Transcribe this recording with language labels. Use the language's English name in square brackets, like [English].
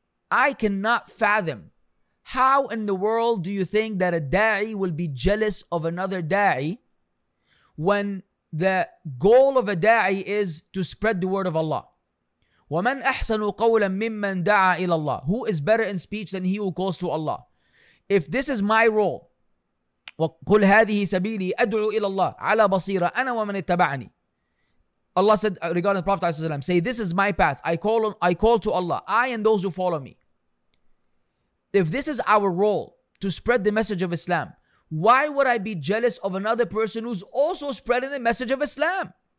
[English] I cannot fathom how in the world do you think that a da'i will be jealous of another da'i when the goal of a da'i is to spread the word of Allah. [Arabic] وَمَنْ أَحْسَنُ قَوْلًا مِمَّنْ دَعَى إِلَى اللَّهِ. [English] Who is better in speech than he who calls to Allah? If this is my role, [Arabic] وَقُلْ هَذِهِ سَبِيلِي أَدْعُوا إِلَى اللَّهِ عَلَى بَصِيرًا أَنَا وَمَنِ اتَّبَعَنِي. [English] Allah said regarding the Prophet ﷺ, say, this is my path. I call to Allah, I and those who follow me. If this is our role to spread the message of Islam, why would I be jealous of another person who's also spreading the message of Islam?